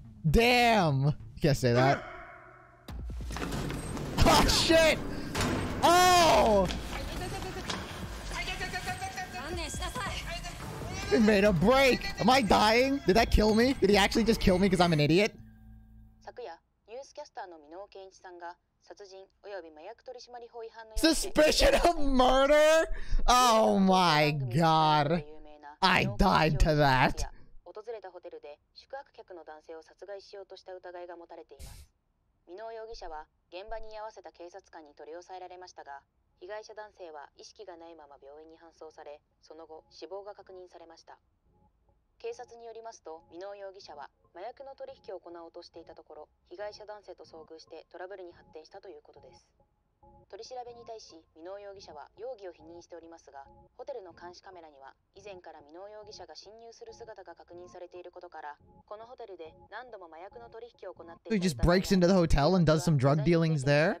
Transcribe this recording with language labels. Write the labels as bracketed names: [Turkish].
[English] Damn! You can't say that. Oh shit! Oh! He made a break! Am I dying? Did that kill me? Did he actually just kill me because I'm an idiot? [Japanese] 昨夜、ニュースキャスターの箕面健一さんが殺人および麻薬取締法違反の [English] Suspicion of murder? Oh my god! I died to that! [Japanese] 訪れたホテルで宿泊客の男性を殺害しようとした疑いが持たれています。箕面容疑者は現場に居合わせた警察官に取り押さえられましたが、被害者男性は意識がないまま病院に搬送され、その後死亡が確認されました。K 警察によりますと、箕面容疑者は麻薬の取引を行おうとしていたところ、被害者男性と遭遇してトラブルに発展したということです。取り調べに対し、箕面容疑者は容疑を否認しておりますが、ホテルの監視カメラには以前から箕面容疑者が侵入する姿が確認されていることから、このホテルで何度も麻薬の取引を行っていた。 He just breaks into the hotel and does some drug dealings there?